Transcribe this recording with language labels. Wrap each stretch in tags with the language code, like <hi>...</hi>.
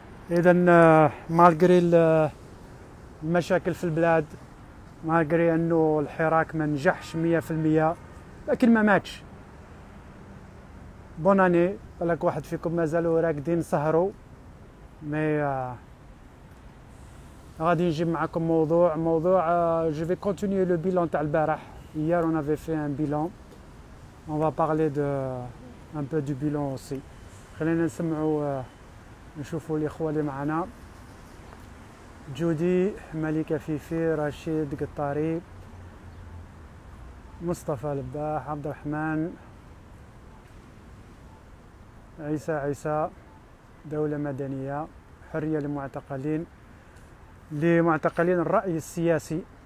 <ar>اذا مالغري المشاكل في البلاد، مالغري انه الحراك ما نجحش 100%، لكن ما ماتش. بوناني بالك واحد فيكم مازالوا راقدين سهروا، مي غادي نجيب معكم موضوع جو في</ar> <fr>كونتينيو لو بيلون</fr> <ar>تاع البارح.</ar> <fr>hier on avait fait un bilan، on va parler de un peu du bilan aussi.</fr> <ar>خلينا نسمعوا نشوفوا الاخوه اللي معنا، جودي ملكة فيفي رشيد قطاري مصطفى لباح عبد الرحمن عيسى دولة مدنية حرية لمعتقلين الرأي السياسي.</ar>